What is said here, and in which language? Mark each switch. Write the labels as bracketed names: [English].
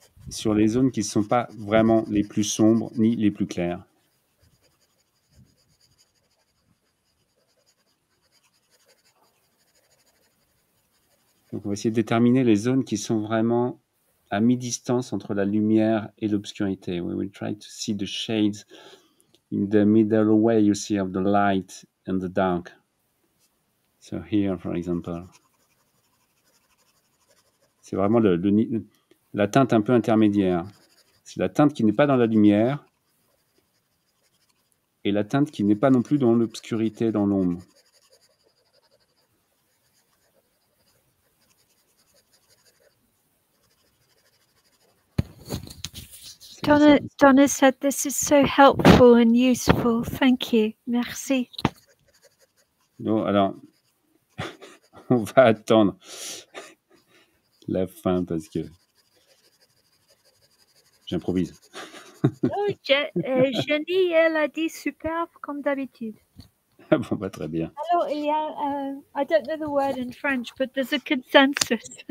[French] Sur les zones qui ne sont pas vraiment les plus sombres ni les plus claires. Donc on va essayer de déterminer les zones qui sont vraiment à mi-distance entre la lumière et l'obscurité. [English] We will try to see the shades in the middle way, you see, of the light and the dark. So here, for example. [French] C'est vraiment la teinte un peu intermédiaire. C'est la teinte qui n'est pas dans la lumière et la teinte qui n'est pas non plus dans l'obscurité, dans l'ombre. [English] Donna said this is so helpful and useful. Thank you. [French] Merci. Non, alors, on va attendre la fin parce que j'improvise. Oh, Jenny, elle a dit superbe comme d'habitude. Bon, pas bah, très bien. Alors, il y a, [English] I don't know the word in French, but there's a consensus.